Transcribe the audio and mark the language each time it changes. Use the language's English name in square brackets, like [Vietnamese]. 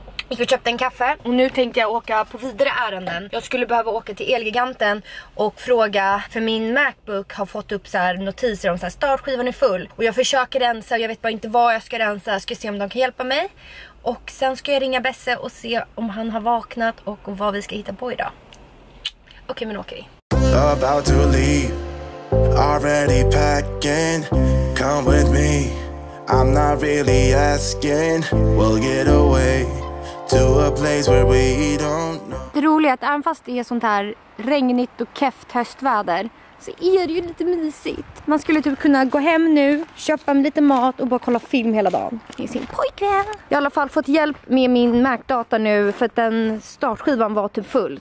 [Swedish] Jag köpte en kaffe och nu tänkte jag åka på vidare ärenden. Jag skulle behöva åka till Elgiganten och fråga, för min MacBook har fått upp så här notiser om så här, startskivan är full. Och jag försöker rensa och jag vet bara inte vad jag ska rensa. Jag ska se om de kan hjälpa mig. Och sen ska jag ringa Besse och se om han har vaknat och vad vi ska hitta på idag. Okej, men åker vi. [English] About to leave, already packing, come with me, I'm not really asking, we'll get away. To a place where we don't know. [Swedish] Det roliga är att även fast det är sånt här regnigt och keft höstväder, så är det ju lite mysigt. Man skulle typ kunna gå hem nu, köpa en lite mat och bara kolla film hela dagen i sin pojkvän. Jag har i alla fall fått hjälp med min Mac-data nu, för att den startskivan var typ full.